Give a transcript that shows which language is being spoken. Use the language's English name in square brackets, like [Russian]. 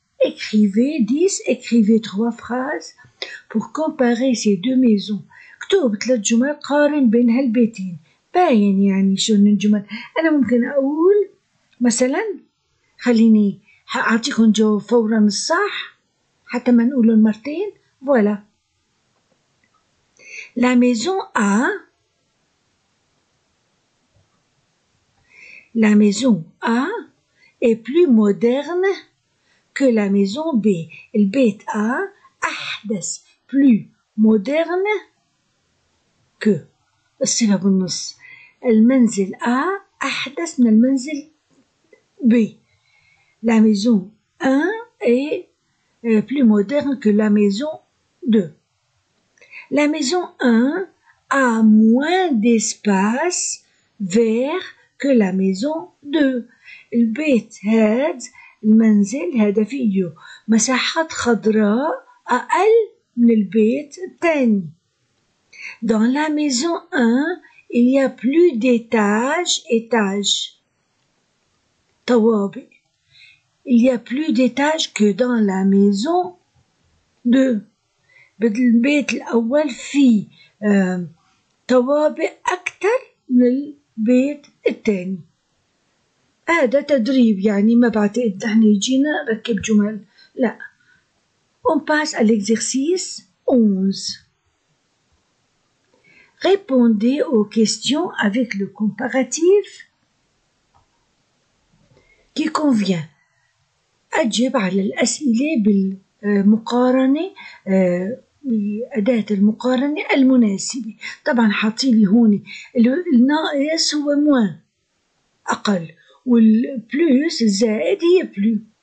[French] Écrivez 10, écrivez 3 phrases pour comparer ces deux maisons. [Arabic] كتب 3 جمل قارن بين هالبيتين. باين يعني شنو الجمل. أنا ممكن أقول مثلا، خليني أعطيكم جواب فورا الصح حتى ما نقوله مرتين. [French] فوالا. La maison A, la maison A est plus moderne que la maison B. [Arabic] البيت A أحدث، [French] plus moderne que. [Arabic] الصيغة بالنص. المنزل A أحدث من المنزل B. [French] La maison A est plus moderne que la maison 2. La maison 1 a moins d'espace vert que la maison 2. [Arabic] البيت هذا المنزل هذا فيه مساحة خضراء أقل من البيت الثاني. [French] Dans la maison 1, il y a plus d'étages, étages. [Arabic] طوابق. [French] Il y a plus d'étages que dans la maison 2. [Arabic] بالبيت الأول في طوابق أكثر من البيت الثاني. هذا تدريب يعني، ما بعتقد احنا يجينا ركب جمل. لا. [French] On passe à l'exercice 11. Répondez aux questions avec le comparatif qui convient. [Arabic] أجب على الأسئلة بالمقارنة بأداة المقارنة المناسبة. طبعا حاطيني هون الناقص هو موان أقل، والبلوس الزائد هي بلو.